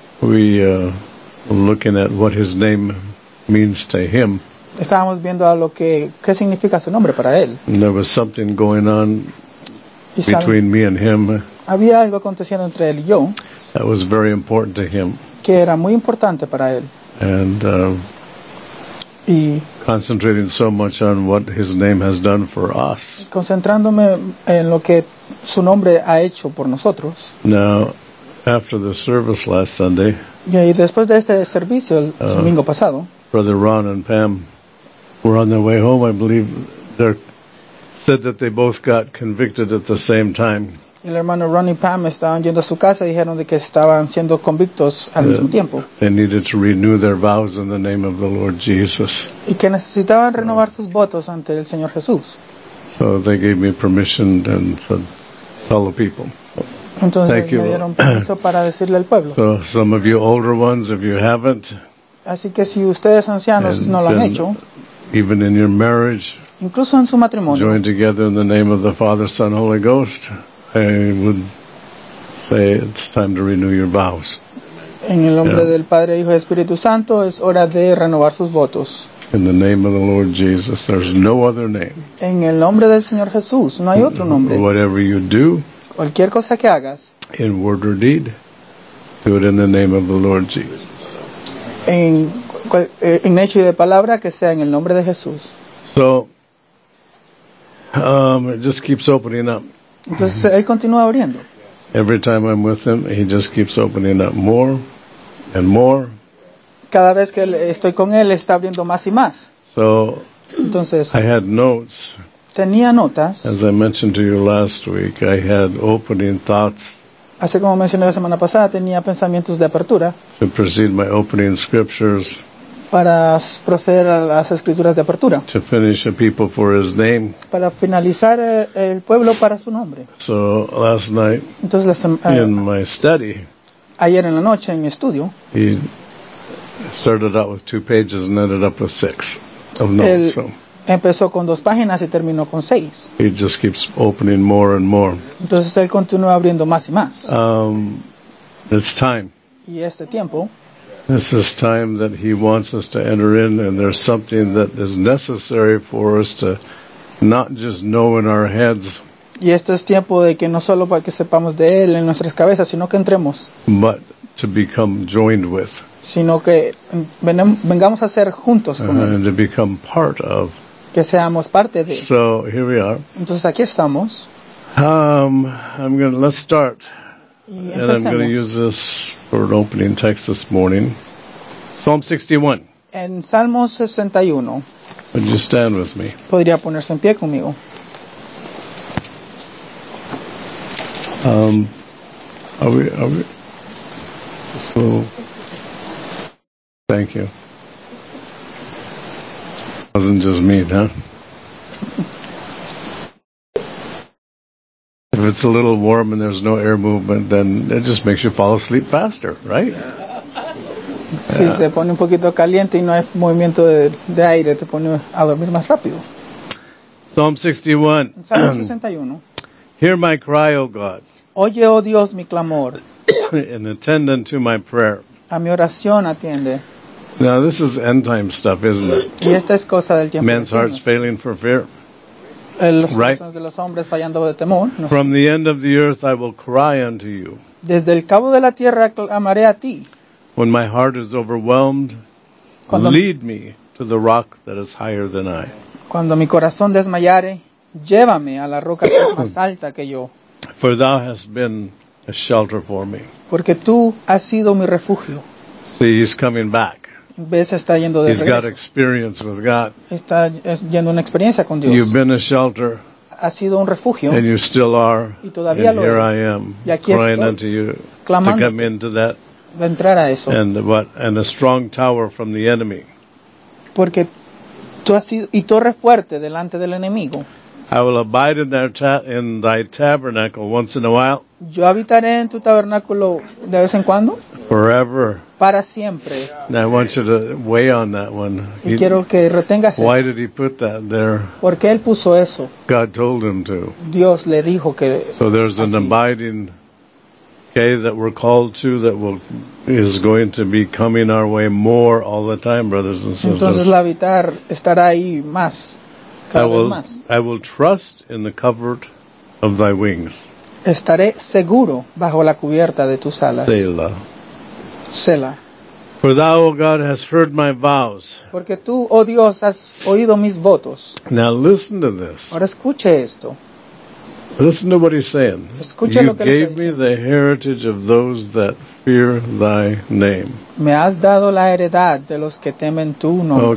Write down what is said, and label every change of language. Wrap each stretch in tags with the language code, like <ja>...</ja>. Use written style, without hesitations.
<en>We looking at what his name means to him.</en> <es>Estábamos viendo a lo que qué significa su nombre para él.</es> <en>And there was something going on between me and him.</en> <es>Había algo aconteciendo entre él y yo.</es> <en>That was very important to him.</en> <es>Que era muy importante para él.</es> <en>And</en> <es>y</es> <en>concentrating so much on what his name has done for us.</en> <es>Concentrándome en lo que su nombre ha hecho por nosotros.</es> <en>Now, after the service last Sunday.</en> <es>Y después de este servicio el domingo pasado.</es> <en>Brother Ron and Pam were on their way home. I believe they said that they both got convicted at the same time.</en> <es>El hermano Ron y Pam estaban yendo a su casa y dijeron de que estaban siendo convictos al mismo tiempo.</es> <en>They needed to renew their vows in the name of the Lord Jesus.</en> <es>Y que necesitaban renovar sus votos ante el Señor Jesús.</es> <en>So they gave me permission and said, tell the people.</en> <es>Entonces me dieron permiso para decirle al pueblo.</es> <en>So some of you older ones, if you haven't.</en> <es>Así que si ustedes ancianos no lo han hecho.</es> <en>Even in your marriage.</en> <es>Incluso en su matrimonio.</es> <en>Join together in the name of the Father, Son, Holy Ghost. I would say it's time to renew your vows.</en> <es>En el nombre del Padre, Hijo y Espíritu Santo, es hora de renovar sus votos.</es> <en>In the name of the Lord Jesus, there's no other name.</en> <es>En el nombre del Señor Jesús, no hay otro nombre.</es> <en>Whatever you do,</en> <es>cualquier cosa que hagas,</es> <en>in word or deed, do it in the name of the Lord Jesus.</en> <es>En hecho y de palabra, que sea en el nombre de Jesús.</es> <en>So, it just keeps opening up.</en> <es>Entonces, él continúa abriendo.</es> <en>Every time I'm with him, he just keeps opening up more and more.</en> <es>Cada vez que estoy con él, está abriendo más y más.</es> <en>So,</en> <es>entonces,</es> <en>I had notes.</en> <es>Tenía notas.</es> <en>As I mentioned to you last week, I had opening thoughts.</en> <es>Así como mencioné la semana pasada, tenía pensamientos de apertura.</es> <en>To proceed my opening scriptures.</en> <es>Para proceder a las escrituras de apertura.</es> <en>To finish a people for his name.</en> <es>Para finalizar el pueblo para su nombre.</es> <en>So last night.</en> <es>Entonces,</es> <en>in my study.</en> <es>Ayer en la noche en mi estudio.</es> <en>He started out with two pages and ended up with six. Of notes.</en> <es>Él empezó con dos páginas y terminó con seis.</es> <en>He just keeps opening more and more.</en> <es>Entonces él continúa abriendo más y más.</es> <en>It's time.</en> <es>Y este tiempo.</es> <en>This is time that he wants us to enter in, and there's something that is necessary for us to not just know in our heads.</en> <es>Y esto es tiempo de que no solo para que sepamos de él en nuestras cabezas, sino que entremos.</es> <en>But to become joined with.</en> <es>Sino que vengamos a ser juntos con él.</es> <en>And to become part of.</en> <es>Que seamos parte de.</es> <en>So here we are.</en> <es>Entonces aquí estamos.</es> <en>Let's start. And I'm going to use this for an opening text this morning. Psalm 61.</en> <es>En Salmo 61.</es> <en>Would you stand with me?</en> <es>¿Podría ponerse en pie conmigo?</es> <en>Are we? So, thank you. It wasn't just me, huh? If it's a little warm and there's no air movement, then it just makes you fall asleep faster, right?</en> <es>Si se pone un poquito caliente y no hay movimiento de aire, te pone a dormir más rápido.</es> <en>Psalm 61.</en> <es>Salmo 61.</es> <en>Hear my cry, O God.</en> <es>Oye, oh Dios, mi clamor.</es> <en>And attend unto my prayer.</en> <es>A mi oración atiende.</es> <en>Now this is end time stuff, isn't it?</en> <es>Y esta es cosa del tiempo.</es> <en>Man's heart's failing for fear. Right.</en> <es>De los hombres fallando de temor, no.</es> <en>From the end of the earth I will cry unto you.</en> <es>Desde el cabo de la tierra clamaré a ti.</es> <en>When my heart is overwhelmed,</en> <es>cuando</es> <en>lead me to the rock that is higher than I.</en> <es>Cuando mi corazón desmayare, llévame a la roca que es más alta que yo.</es> <en>For thou hast been a shelter for me.</en> <es>Porque tú has sido mi refugio.</es> <en>See, he's coming back.</en> <es>Ves, está yendo de</es> <en>He's</en> <es>regreso.</es> <en>Got experience with God.</en> <es>Está yendo una experiencia con Dios.</es> <en>You've been a shelter.</en> <es>ha sido un refugio.</es> <en>And you still are.</en> <es>Y todavía</es> <en>and</en> <es>lo</es> <en>here</en> <es>es.</es> <en>I am,</en> <es>y aquí</es> <en>crying</en> <es>estoy,</es> <en>unto you</en> <es>clamando</es> <en>to come into that.</en> <es>De entrar a eso.</es> <en>And what? And a strong tower from the enemy.</en> <es>Porque tú has sido y torre fuerte delante del enemigo.</es> <en>I will abide in their in thy tabernacle once in a while.</en> <es>Yo habitaré en tu tabernáculo de vez en cuando.</es> <en>Forever.</en> <es>Para siempre.</es> <en>Now I want you to weigh on that one.</en> <es>Y quiero que retengas eso.</es> <en>Why did he put that there?</en> <es>¿Por qué él puso eso?</es> <en>God told him to.</en> <es>Dios le dijo que.</es> <en>So there's an abiding, okay, that we're called to, that will is going to be coming our way more all the time, brothers and sisters.</en> <es>Entonces, la habitar estará ahí más.</es> <en>I will trust in the covert of thy wings.</en> <es>Estaré seguro bajo la cubierta de tus alas.</es> <en>Selah.</en> <es>Selah.</es> <en>For thou, O God, hast heard my vows.</en> <es>Porque tú, oh Dios, has oído mis votos.</es> <en>Now listen to this.</en> <es>Ahora escuche esto.</es> <en>Listen to what he's saying.</en> <es>Escuche</es> <en>you</en> <es>lo que</es> <en>gave</en> <es>está diciendo.</es> <en>Me the heritage of those that fear thy name.</en> <es>Me has dado la heredad de los que temen tu nombre.</es>